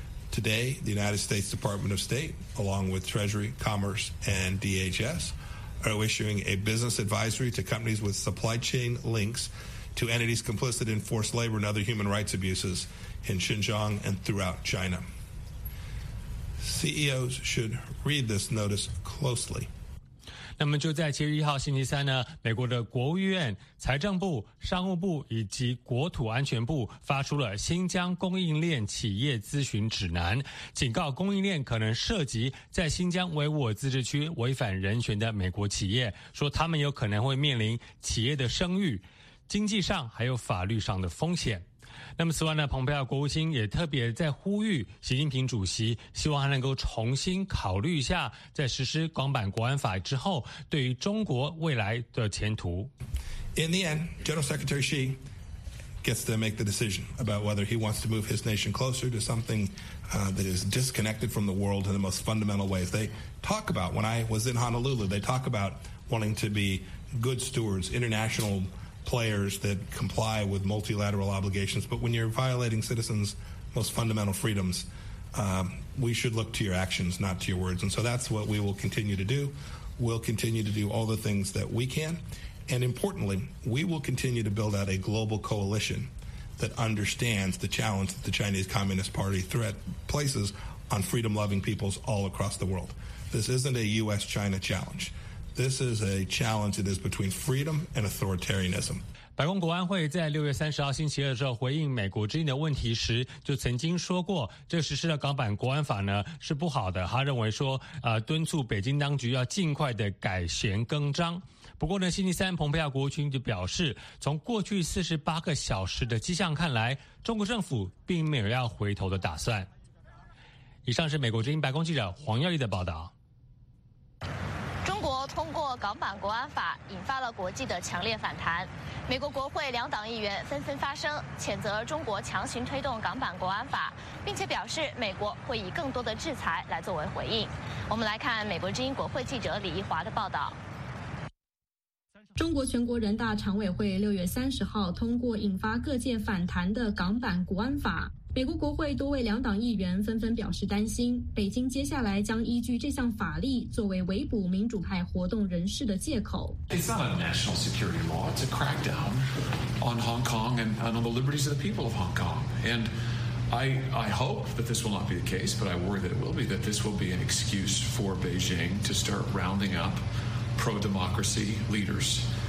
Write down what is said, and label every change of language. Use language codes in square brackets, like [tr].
[en] Today, the United States Department of State, along with Treasury, Commerce, and DHS, are issuing a business advisory to companies with supply chain links to entities complicit in forced labor and other human rights abuses in Xinjiang and throughout China. CEOs should read this notice closely. [zh] 那么就在7月1号星期三呢，美国的国务院、财政部、商务部以及国土安全部发出了新疆供应链企业咨询指南，警告供应链可能涉及在新疆维吾尔自治区违反人权的美国企业，说他们有可能会面临企业的声誉、经济上还有法律上的风险。那么此外呢，蓬佩奥国务卿也特别在呼吁习近平主席，希望他能够重新考虑一下在实施港版国安法之后对于中国未来的前途。 [en] In the end, General Secretary Xi gets to make the decision about whether he wants to move his nation closer to something that is disconnected from the world in the most fundamental ways. They talk about, when I was in Honolulu, they talk about wanting to be good stewards, internationalplayers that comply with multilateral obligations. But when you're violating citizens' most fundamental freedoms, we should look to your actions, not to your words. And so that's what we will continue to do. We'll continue to do all the things that we can. And importantly, we will continue to build out a global coalition that understands the challenge that the Chinese Communist Party threat places on freedom-loving peoples all across the world. This isn't a U.S.-China challenge. This is a challenge that is between freedom and authoritarianism. [zh] 白宫国安会在6月30号星期二的时候回应美国之音的问题时，就曾经说过，这实施的港版国安法呢是不好的。他认为说，敦促北京当局要尽快的改弦更张。不过呢，星期三蓬佩奥国务卿就表示，从过去48个小时的迹象看来，中国政府并没有要回头的打算。以上是美国之音白宫记者黄耀毅的报道。中国通过港版国安法引发了国际的强烈反弹，美国国会两党议员纷纷发声谴责中国强行推动港版国安法，并且表示美国会以更多的制裁来作为回应。我们来看美国之音国会记者李一华的报道。中国全国人大常委会6月30号通过引发各界反弹的港版国安法，美国国会多位两党议员纷纷表示担心，北京接下来将依据这项法律作为围捕民主派活动人士的借口。 [en] It's not a national security law. It's a crackdown on Hong Kong and on the liberties of the people of Hong Kong. And I hope that this will not be the case, but I worry that it will be. That this will be an excuse for Beijing to start rounding up pro-democracy leaders.